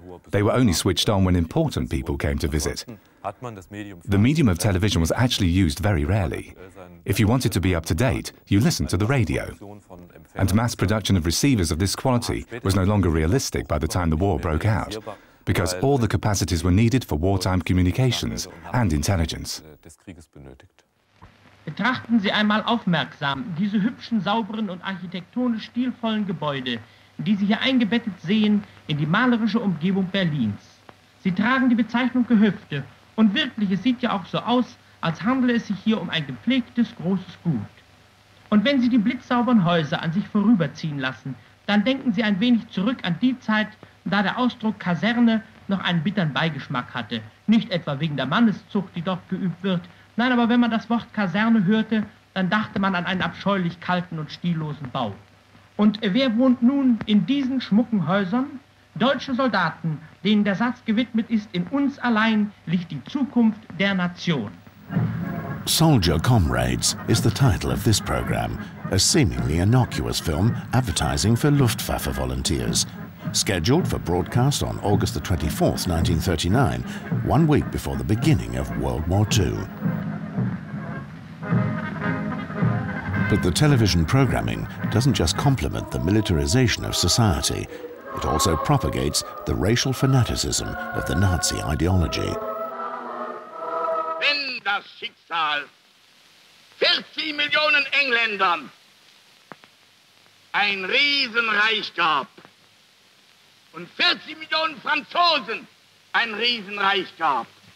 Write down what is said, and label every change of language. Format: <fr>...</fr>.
<en>They were only switched on when important people came to visit. The medium of television was actually used very rarely. If you wanted to be up to date, you listened to the radio. And mass production of receivers of this quality was no longer realistic by the time the war broke out, because all the capacities were needed for wartime communications and intelligence.</en> <de>Betrachten Sie einmal aufmerksam diese hübschen, sauberen und architektonisch stilvollen Gebäude, die Sie hier eingebettet sehen in die malerische Umgebung Berlins. Sie tragen die Bezeichnung Gehöfte und wirklich, es sieht ja auch so aus, als handle es sich hier um ein gepflegtes, großes Gut. Und wenn Sie die blitzsauberen Häuser an sich vorüberziehen lassen, dann denken Sie ein wenig zurück an die Zeit, da der Ausdruck Kaserne noch einen bitteren Beigeschmack hatte. Nicht etwa wegen der Manneszucht, die dort geübt wird. Nein, aber wenn man das Wort Kaserne hörte, dann dachte man an einen abscheulich kalten und stillosen Bau. Und wer wohnt nun in diesen schmucken Häusern? Deutsche Soldaten, denen der Satz gewidmet ist, in uns allein liegt die Zukunft der Nation.</de> <en>Soldier Comrades is the title of this program, a seemingly innocuous film advertising for Luftwaffe volunteers. Scheduled for broadcast on August the 24th, 1939, 1 week before the beginning of World War II. But the television programming doesn't just complement the militarization of society, it also propagates the racial fanaticism of the Nazi ideology.</en> <de>Wenn das Schicksal 40 Millionen Engländern ein Riesenreich gab und 40 Millionen Franzosen ein Riesenreich gab</de>